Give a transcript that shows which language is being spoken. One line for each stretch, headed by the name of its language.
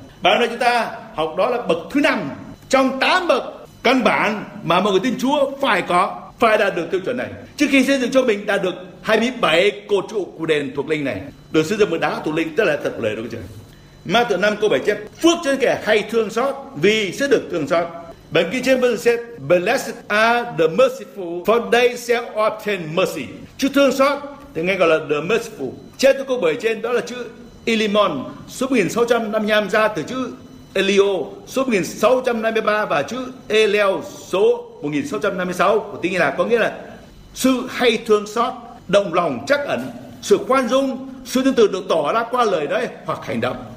Vietnamese: Bài hôm nay chúng ta học đó là bậc thứ 5 trong 8 bậc căn bản mà mọi người tin Chúa phải có, phải đạt được tiêu chuẩn này trước khi xây dựng cho mình đạt được 27 cột trụ của đền thuộc linh này, được xây dựng bằng đá thuộc linh, tức là thật lời đó chứ. Matthew 5 câu 7 chép: phước cho kẻ hay thương xót vì sẽ được thương xót. Bản kinh
English: James Version said: blessed are the merciful for they shall obtain mercy.
Vietnamese: Chữ thương xót thì nghe gọi là
English: the merciful.
Vietnamese: Trên câu 7 trên đó là chữ Elimon số 1655 ra từ chữ Elio số 1653 và chữ Eleo số 1656 của tiếng Hy Lạp, có nghĩa là sự hay thương xót, động lòng trắc ẩn, sự khoan dung, sự tương tự được tỏ ra qua lời đấy hoặc hành động.